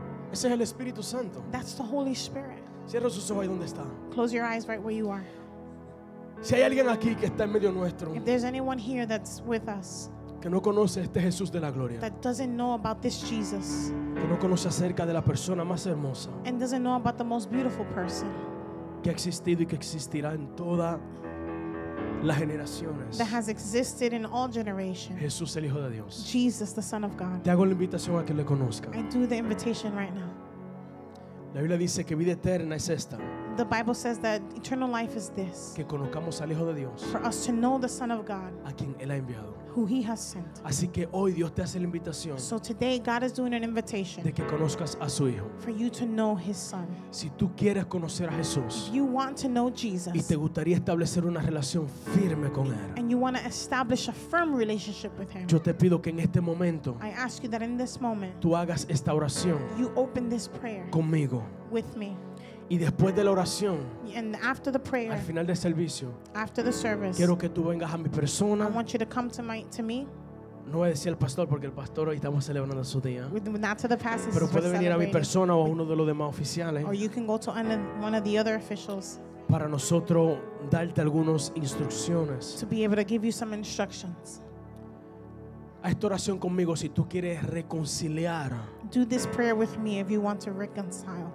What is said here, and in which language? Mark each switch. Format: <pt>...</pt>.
<es>Ese es el Espíritu Santo.</es> <en>That's the Holy Spirit.</en> <es>Cierra sus ojos ahí donde está.</es> <en>Close your eyes right where you are.</en> <es>Si hay alguien aquí que está en medio nuestro,</es> <en>if there's anyone here that's with us,</en> <es>que no conoce este Jesús de la gloria,</es> <en>that doesn't know about this Jesus,</en> <es>que no conoce acerca de la persona más hermosa,</es> <en>and doesn't know about the most beautiful person,</en> <es>que ha existido y que existirá en toda las generaciones,</es> <en>that has existed in all generations,</en> <es>Jesús el Hijo de Dios,</es> <en>Jesus the Son of God,</en> <es>te hago la invitación a que le conozca.</es> <en>I do the invitation right now.</en> <es>La Biblia dice que vida eterna es esta.</es> <en>The Bible says that eternal life is this.</en> <es>Que conozcamos al Hijo de Dios.</es> <en>For us to know the Son of God.</en> <es>A quien él ha enviado.</es> <en>Who he has sent.</en> <es>Así que hoy Dios te hace la invitación.</es> <en>So today God is doing an invitation.</en> <es>De que conozcas a su Hijo.</es> <en>For you to know his Son.</en> <es>Si tú quieres conocer a Jesús.</es> <en>If you want to know Jesus.</en> <es>Y te gustaría establecer una relación firme con él.</es> <en>And you want to establish a firm relationship with him.</en> <es>Yo te pido que en este momento.</es> <en>I ask you that in this moment.</en> <es>Tú hagas esta oración.</es> <en>You open this prayer.</en> <es>Conmigo.</es> <en>With me.</en> <es>Y después de la oración,</es> <en>and after the prayer,</en> <es>al final del servicio,</es> <en>after the service,</en> <es>quiero que tú vengas a mi persona.</es> <en>I want you to come to my, to me.</en> <es>No voy a decir al pastor porque el pastor hoy estamos celebrando su día.</es> <en>Not to the pastor,</en> <es>pero puede venir a mi persona o a uno de los demás oficiales.</es> <en>Or you can go to one of the other officials.</en> <es>Para nosotros darte algunas instrucciones.</es> <en>To be able to give you some instructions.</en> <es>Haz esta oración conmigo si tú quieres reconciliar.</es> <en>Do this prayer with me if you want to reconcile.</en>